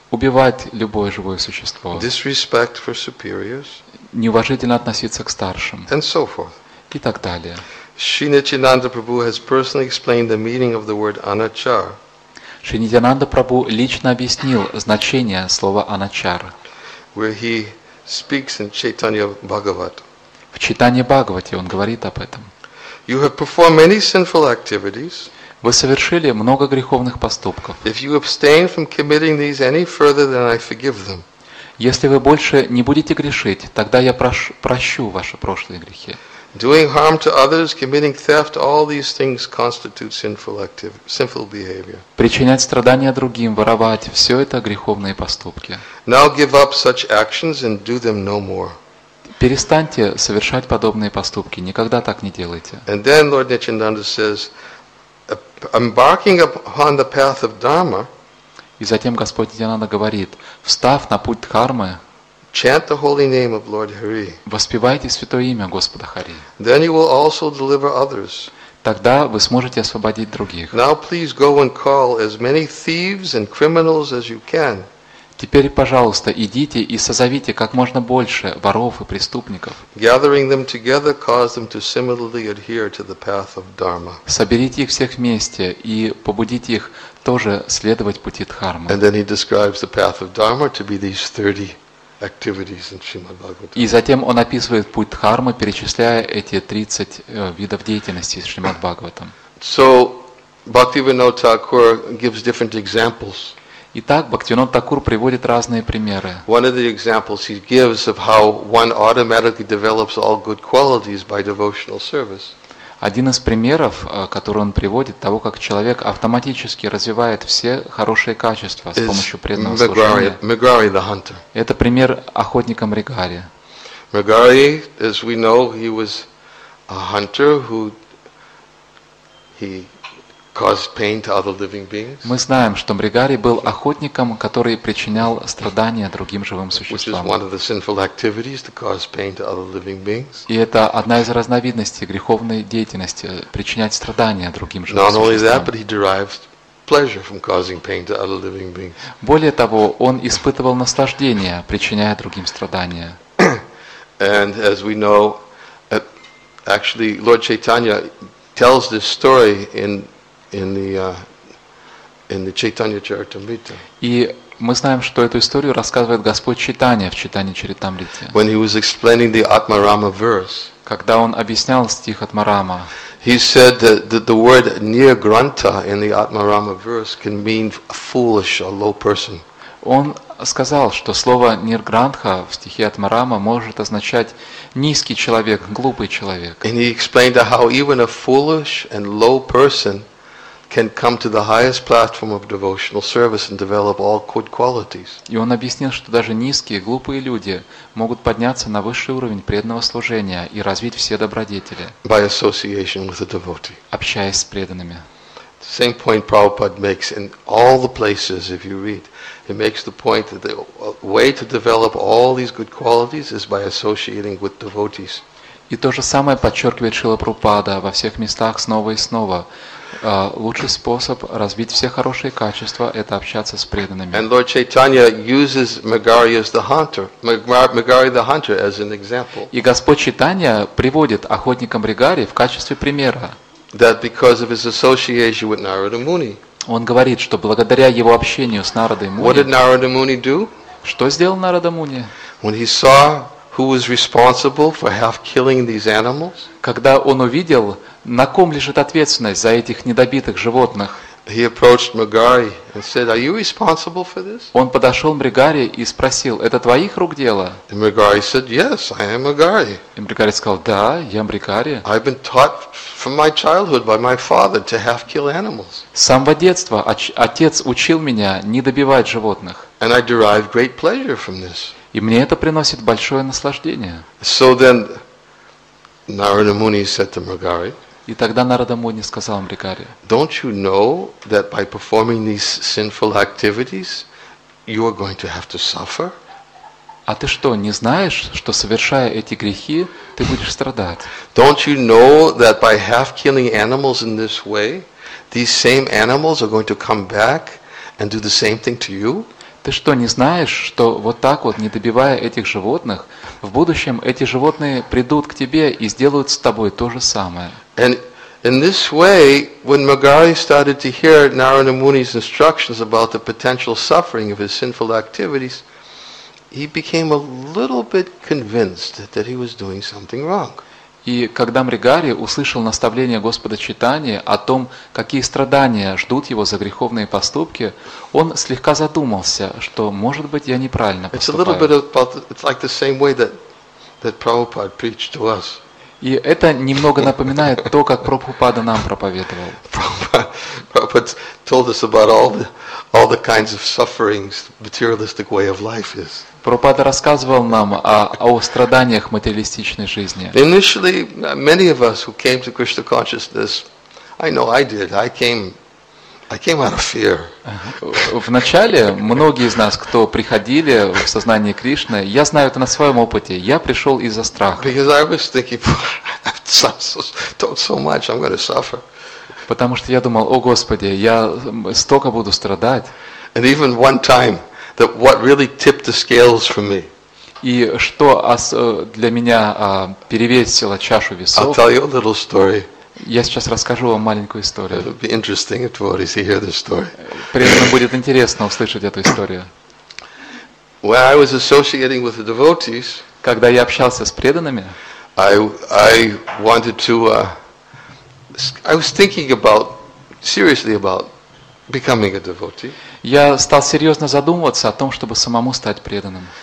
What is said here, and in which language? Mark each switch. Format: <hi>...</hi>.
<ru>Убивать любое живое существо.</ru> <en>Disrespect for superiors.</en> <ru>Неуважительно относиться к старшим.</ru> <en>And so forth.</en> <ru>И так далее.</ru> <en>Sri Nityananda Prabhu has personally explained the meaning of the word anachara.</en> <ru>Шри Нитьянанда Прабху лично объяснил значение слова «аначар».</ru> <en>Where he speaks in Chaitanya Bhagavat.</en> <ru>В Чайтанье Бхагавате он говорит об этом.</ru> <en>You have performed many sinful activities.</en> <ru>Вы совершили много греховных поступков.</ru> <en>If you abstain from committing these any further, then I forgive them.</en> <ru>Если вы больше не будете грешить, тогда я прощу ваши прошлые грехи.</ru> <en>Doing harm to others, committing theft, all these things constitute sinful behavior.</en> <ru>Причинять страдания другим, воровать, все это греховные поступки.</ru> <en>Now give up such actions and do them no more.</en> <ru>Перестаньте совершать подобные поступки, никогда так не делайте.</ru> <en>And then Lord Nityananda says, embarking upon the path of Dharma.</en> <ru>И затем Господь Нитьянанда говорит, встав на путь Дхармы.</ru> <en>Chant the holy name of Lord Hari.</en> <ru>Воспевайте святое имя Господа Хари.</ru> <en>Then you will also deliver others.</en> <ru>Тогда вы сможете освободить других.</ru> <en>Now please go and call as many thieves and criminals as you can.</en> <ru>Теперь, пожалуйста, идите и созовите как можно больше воров и преступников.</ru> <en>Gathering them together, cause them to similarly adhere to the path of Dharma.</en> <ru>Соберите их всех вместе и побудите их тоже следовать пути Дхармы.</ru> <en>And then he describes the path of Dharma to be these 30 activities in Srimad Bhagavatam.</en> <ru>И затем он описывает путь Дхармы, перечисляя эти 30 видов деятельности из Шримад Бхагаватам.</ru> <en>So Bhaktivinoda Thakur gives different examples.</en> <ru>Итак, Бхактивинод Такур приводит разные примеры.</ru> <en>One of the examples he gives of how one automatically develops all good qualities by devotional service.</en> <ru>Один из примеров, который он приводит, того, как человек автоматически развивает все хорошие качества с помощью преданного служения.</ru> <en>Megari the hunter.</en> <ru>Это пример охотника Мригари.</ru> <en>Megari, as we know, he was a hunter who he caused pain to other living beings.</en> <ru>Мы знаем, что Мригари был охотником, который причинял страдания другим живым существам.</ru> <en>Which is one of the sinful activities to cause pain to other living beings.</en> <ru>И это одна из разновидностей греховной деятельности – причинять страдания другим живым существам.</ru> <en>Not only that, but he derived pleasure from causing pain to other living beings.</en> <ru>Более того, он испытывал наслаждение, причиняя другим страдания.</ru> <en>And as we know, actually Lord Chaitanya tells this story in the Chaitanya Charitamrita.</en> <ru>И мы знаем, что эту историю рассказывает Господь Чайтанья в Чайтанья Чаритамрите.</ru> <en>When he was explaining the Atmarama verse.</en> <ru>Когда он объяснял стих Атмарама.</ru> <en>He said that the word nirgranta in the Atmarama verse can mean a foolish or low person.</en> <ru>Он сказал, что слово нирграндха в стихе Атмарама может означать низкий человек, глупый человек.</ru> <en>And he explained how even a foolish and low person can come to the highest platform of devotional service and develop all good qualities.</en> <ru>И он объяснил, что даже низкие, глупые люди могут подняться на высший уровень преданного служения и развить все добродетели.</ru> <en>By association with a devotee.</en> <ru>Общаясь с преданными.</ru> <en>The same point Prabhupada makes in all the places, if you read, he makes the point that the way to develop all these good qualities is by associating with devotees.</en> <ru>И то же самое подчеркивает Шрила Прабхупада во всех местах снова и снова. Лучший способ развить все хорошие качества – это общаться с преданными.</ru> <en>And Lord Chaitanya uses Megarya as the hunter, Megarya the hunter as an example.</en> <ru>И Господь Чайтанья приводит охотника Мригари в качестве примера.</ru> <en>That because of his association with Narada Muni.</en> <ru>Он говорит, что благодаря его общению с Нарадой Муни.</ru> <en>What did Narada Muni do?</en> <ru>Что сделал Нарада Муни?</ru> <en>When he saw who was responsible for half killing these animals?</en> <ru>Когда он увидел, на ком лежит ответственность за этих недобитых животных?</ru> <en>He approached Megarya and said, "Are you responsible for this?"</en> <ru>Он подошел к Мригари и спросил: "Это твоих рук дело?"</ru> <en>And Megarya said, "Yes, I am Megarya."</en> <ru>И Мригари сказал: "Да, я Мригари."</ru> <en>I've been taught from my childhood by my father to half kill animals.</en> <ru>С самого детства отец учил меня не добивать животных.</ru> <en>And I derive great pleasure from this.</en> <ru>И мне это приносит большое наслаждение.</ru> <en>So then, Narada Muni said to Mrigari.</en> <ru>И тогда Нарада Муни сказал Мригари:</ru> <en>"Don't you know that by performing these sinful activities, you are going to have to suffer?"</en> <ru>А ты что, не знаешь, что совершая эти грехи, ты будешь страдать?</ru> <en>"Don't you know that by half killing animals in this way, these same animals are going to come back and do the same thing to you?"</en> <ru>Ты что, не знаешь, что вот так вот, не добивая этих животных, в будущем эти животные придут к тебе и сделают с тобой то же самое?</ru> <en>And in this way, when Megarya started to hear Narada Muni's instructions about the potential suffering of his sinful activities, he became a little bit convinced that he was doing something wrong.</en> <ru>И когда Мригари услышал наставление Господа Чайтаньи о том, какие страдания ждут его за греховные поступки, он слегка задумался, что, может быть, я неправильно поступаю. И это немного напоминает то, как Прабхупада нам проповедовал.</ru> <en>Prabhupada told us about all the kinds of sufferings materialistic way of life is.</en> <ru>Прабхупада рассказывал нам о страданиях материалистичной жизни.</ru> <en>Initially, many of us who came to Krishna consciousness, I know I did. I came out of fear.</en> <ru>Вначале многие из нас, кто приходили в сознание Кришны, я знаю это на своем опыте. Я пришел из-за страха.</ru> <en>Because I was thinking, I've done so much, I'm going to suffer.</en> <ru>Потому что я думал: "О, Господи, я столько буду страдать."</ru> <en>And even one time that what really tipped the scales for me.</en> <ru>И что для меня перевесило чашу весов?</ru> <en>I'll tell you a little story.</en> <ru>Я сейчас расскажу вам маленькую историю.</ru> <en>It'll be interesting if you hear this story.</en> <ru>Преданным будет интересно услышать эту историю.</ru> <en>When I was associating with the devotees,</en> <ru>когда я общался с преданными,</ru> <en>I was thinking seriously about becoming a devotee.</en> <ru>Я стал серьезно задумываться о том, чтобы самому стать преданным.</ru>